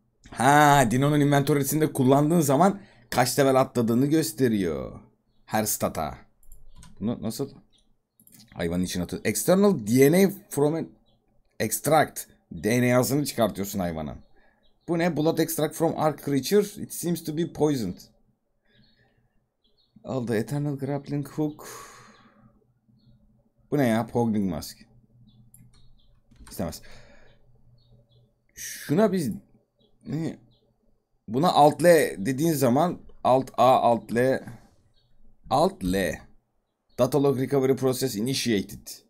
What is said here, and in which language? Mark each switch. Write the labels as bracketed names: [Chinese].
[Turkish] Ha, Dino'nun inventory'sinde kullandığın zaman kaç level atladığını gösteriyor. Her stata. Bunu nasıl? Hayvanın içine atıyor. [English] External DNA from... Extract. [Turkish] DNA'sını çıkartıyorsun hayvanın. Bu ne? [English] Blood extract from Ark creature. It seems to be poisoned. [Turkish] Aldı. Eternal Grappling Hook. Bu ne ya? Pogging Mask. İstemez. Şuna biz... Ne? Buna Alt-L dediğin zaman... Alt-A, Alt-L... Alt-L. [English] Data Log Recovery Process Initiated.